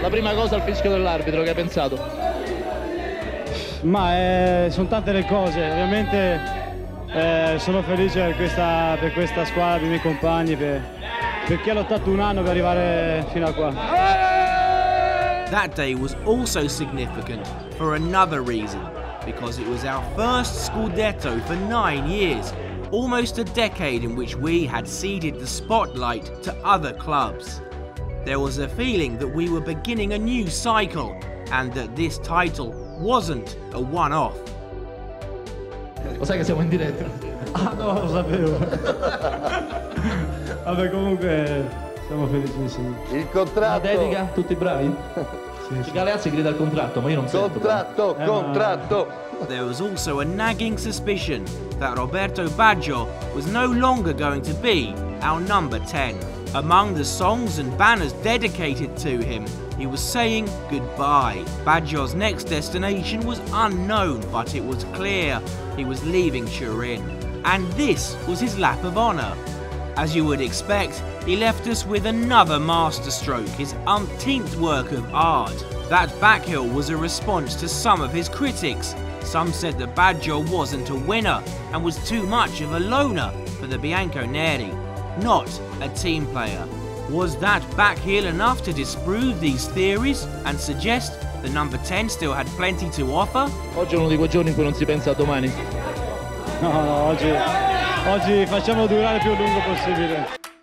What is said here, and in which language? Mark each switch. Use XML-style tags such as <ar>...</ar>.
<it>La prima cosa al fischio dell'arbitro, che hai pensato? Ma sono tante le cose, ovviamente. Sono felice per questa squadra, dei miei compagni, per chi ha lottato un anno per arrivare fino a qua.</it> <en>That day was also significant for another reason, because it was our first Scudetto for 9 years, almost a decade in which we had ceded the spotlight to other clubs. There was a feeling that we were beginning a new cycle and that this title wasn't a one-off.</en> <it>Lo sai che siamo in diretta? Ah no, lo sapevo. Vabbè, comunque siamo felicissimi. Il contratto. La dedica, tutti bravi? Sì, sì. Galeazzi grida il contratto, ma io non contratto, sento. Contratto, contratto.</it> <en>There was also a nagging suspicion that Roberto Baggio was no longer going to be our number 10. Among the songs and banners dedicated to him, he was saying goodbye. Baggio's next destination was unknown, but it was clear he was leaving Turin. And this was his lap of honour. As you would expect, he left us with another masterstroke, his umpteenth work of art. That backheel was a response to some of his critics. Some said that Baggio wasn't a winner and was too much of a loner for the Bianconeri, not a team player. Was that backheel enough to disprove these theories and suggest the number 10 still had plenty to offer?</en> <it>Oggi è uno di quei giorni in cui non si pensa a domani. No, oggi facciamo durare più a lungo possibile.</it>